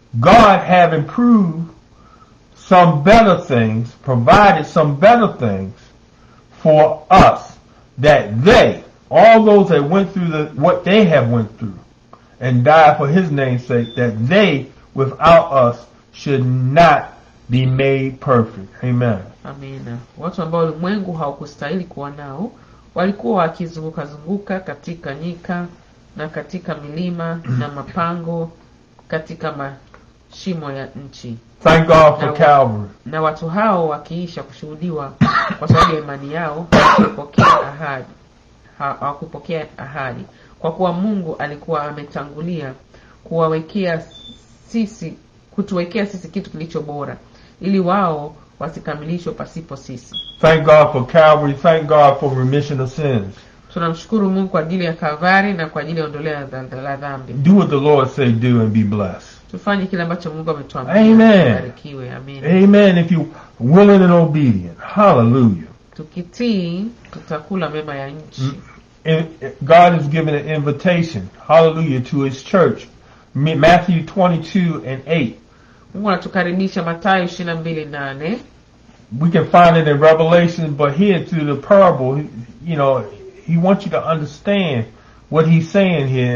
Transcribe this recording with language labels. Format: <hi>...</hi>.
<en>God having proved some better things, provided some better things for us, that they, all those that went through the what they have went through, and died for his name's sake, that they, without us, should not be made perfect. Amen. Amen.</en> <sw>Watu ambao ulimwengu haukustahili kuwa nao, walikuwa wakizunguka katika nyika na katika milima na mapango katika mashimo ya nchi.</sw> <en>Thank God for Calvary.</en> <sw>Na watu hao wakiisha kushuhudiwa kwa sababu ya imani yao wakipokea ahadi. Hawakupokea ahadi. Kwa kuwa Mungu alikuwa ametangulia kuwawekea sisi, kutuwekea sisi kitu kilicho bora, ili wao wasikamilishwe pasipo sisi.</sw> <en>Thank God for Calvary. Thank God for remission of sins.</en> <sw>Tunamshukuru Mungu kwa ajili ya Kalvari na kwa ajili ya ondoleo la dhambi.</sw> <en>Do what the Lord say do and be blessed.</en> <sw>Tufanye kile ambacho Mungu ametuambia. Amen. Barikiwe. Amen.</sw> <en>Amen. If you willing and obedient. Hallelujah.</en> <sw>Tukitii tutakula mema ya nchi.</sw> <en>God has given an invitation. Hallelujah to his church. Matthew 22:8.</en> <sw>Mungu anatukaribisha Mathayo 22:8.</sw> <en>We can find it in Revelation, but here through the parable, you know, he wants you to understand what he's saying here.</en>